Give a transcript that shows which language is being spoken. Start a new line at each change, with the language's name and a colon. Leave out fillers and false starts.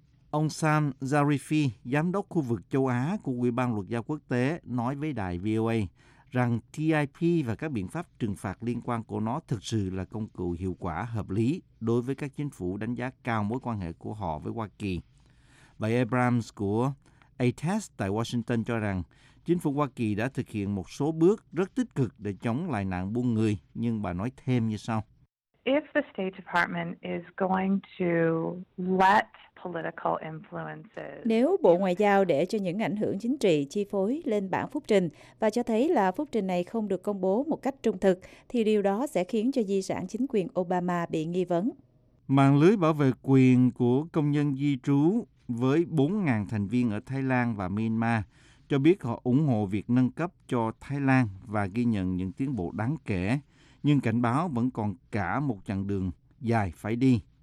Vietnamese: Ông Sam Zarifi, giám đốc khu vực châu Á của Ủy ban Luật giao quốc tế, nói với đài VOA rằng TIP và các biện pháp trừng phạt liên quan của nó thực sự là công cụ hiệu quả hợp lý đối với các chính phủ đánh giá cao mối quan hệ của họ với Hoa Kỳ. Bà Abrams của ATAS tại Washington cho rằng chính phủ Hoa Kỳ đã thực hiện một số bước rất tích cực để chống lại nạn buôn người, nhưng bà nói thêm như sau.
English: If the State Department is going to let political influences...
Vietnamese: Nếu Bộ Ngoại giao để cho những ảnh hưởng chính trị chi phối lên bản phúc trình và cho thấy là phúc trình này không được công bố một cách trung thực, thì điều đó sẽ khiến cho di sản chính quyền Obama bị nghi vấn. Mạng lưới bảo vệ quyền của công nhân di trú với 4.000 thành viên ở Thái Lan và Myanmar cho biết họ ủng hộ việc nâng cấp cho Thái Lan và ghi nhận những tiến bộ đáng kể, nhưng cảnh báo vẫn còn cả một chặng đường dài phải đi.